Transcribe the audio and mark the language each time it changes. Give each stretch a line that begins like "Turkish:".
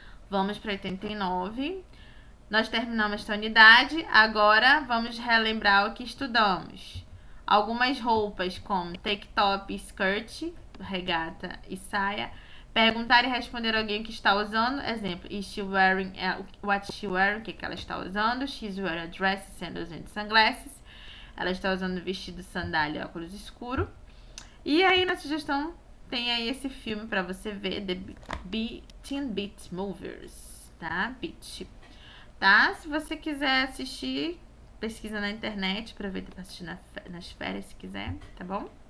Portuguese: Vamos para 89. Nós terminamos esta unidade, agora vamos relembrar o que estudamos. Algumas roupas como tank top, skirt, regata e saia. Perguntar e responder alguém que está usando.
English: Exemplo, is she wearing, what she wearing,
Portuguese: o que ela está usando.
English: She's wearing a dress, sandals and sunglasses.
Portuguese: Ela está usando vestido, sandália e óculos escuro. E aí na sugestão tem aí esse filme para você ver, The Teen Beat Movers, tá? Beat. Tá? Se você quiser assistir, pesquisa na internet, aproveita para assistir nas férias se quiser, tá bom?